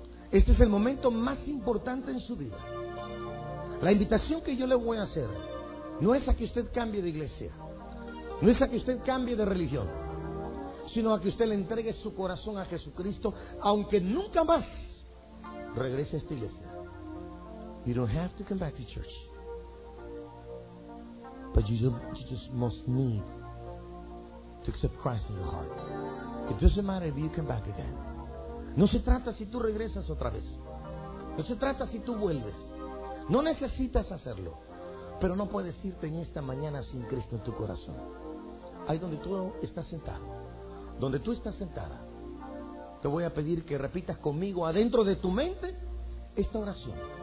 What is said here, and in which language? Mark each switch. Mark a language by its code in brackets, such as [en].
[es] Este es el momento más importante en su vida. La invitación que yo le voy a hacer no es a que usted cambie de iglesia, no es a que usted cambie de religión, sino a que usted le entregue su corazón a Jesucristo, aunque nunca más regrese a esta iglesia. [en] You don't have to come back to church, but you just must need to accept Christ in your heart. It doesn't matter if you come back again. [es] No se trata si tú regresas otra vez. No se trata si tú vuelves. No necesitas hacerlo. Pero no puedes irte en esta mañana sin Cristo en tu corazón. Ahí donde tú estás sentado, donde tú estás sentada, te voy a pedir que repitas conmigo adentro de tu mente esta oración.